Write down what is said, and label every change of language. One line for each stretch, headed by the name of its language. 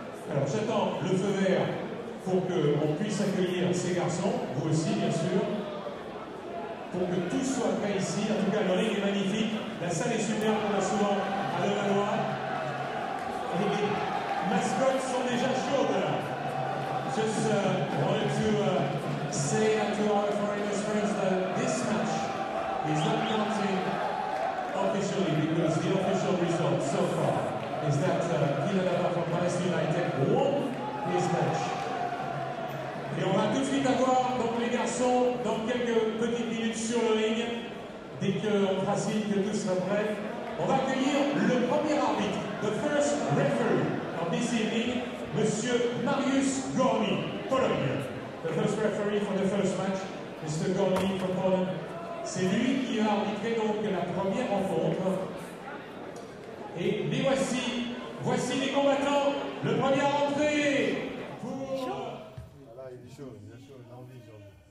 French: Alors, j'attends le feu vert pour qu'on puisse accueillir ces garçons, vous aussi, bien sûr, pour que tout soit prêt ici. En tout cas, le ring est magnifique. La salle est superbe, on l'a souvent à Le Valois. Et les mascottes sont déjà chaudes.
English: Just wanted to say to our foreigners friends that this match is not counting officially, because the official result so far is that Kilanava from Palais United won his match.
French: Et on va tout de suite avoir donc les garçons dans quelques petites minutes sur le ring, dès qu'on tracine que tout sera prêt. On va accueillir le premier arbitre,
English: the first referee of this evening,
French: Monsieur Marius Gormi, Pologne.
English: The first referee for the first match, Mr. Gormi from Poland.
French: C'est lui qui a arbitré donc la première rencontre. Et les voici les combattants, le premier à rentrer pour... Voilà, il est chaud, il a envie, Giorgi.